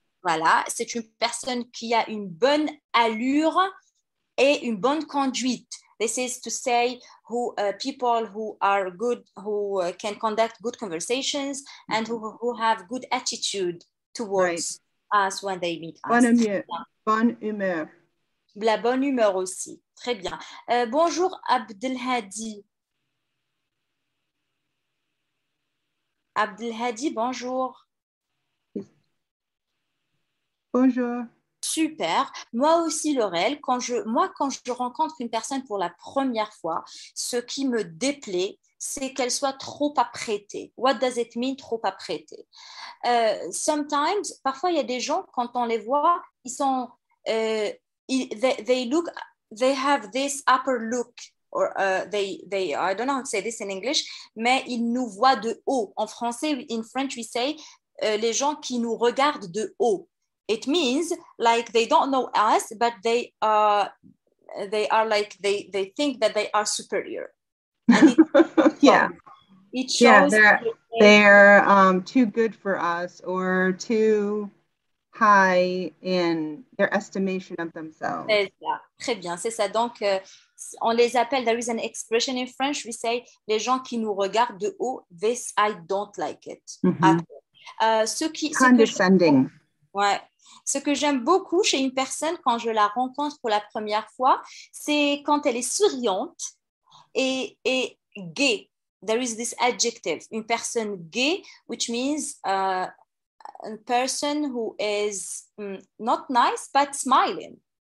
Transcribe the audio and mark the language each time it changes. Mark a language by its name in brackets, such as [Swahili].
[French] Voilà, c'est une personne qui a une bonne allure et une bonne conduite. [English] This is to say who people who are good, who can conduct good conversations and who have good attitude towards us when they meet us. [French] Bonne humeur. La bonne humeur aussi. Très bien. Bonjour Abdelhadi. Abdelhadi, bonjour. Bonjour. Super. Moi aussi, Laurel, quand je rencontre une personne pour la première fois, ce qui me déplaît, c'est qu'elle soit trop apprêtée. [English] What does it mean, [French] trop apprêtée? [English] Sometimes, [French] parfois, il y a des gens, quand on les voit, ils sont... [English] they have this upper look or they I don't know how to say this in English, [French] mais ils nous voient de haut. En français, [English] in French we say [French] les gens qui nous regardent de haut. [English] It means like they don't know us, but they think that they are superior. And it shows they're too good for us or too high in their estimation of themselves. [French] C'est ça. Très bien, c'est ça. Donc, on les appelle, [English] there is an expression in French, we say, [French] les gens qui nous regardent de haut, [English] this I don't like it. Mm-hmm. [French] Ce qui, [English] condescending. [French] Ouais. Ce que j'aime beaucoup chez une personne quand je la rencontre pour la première fois, c'est quand elle est souriante et gay. [English] There is this adjective. [French] Une personne gay, [English] which means a person who is not nice, but smiling.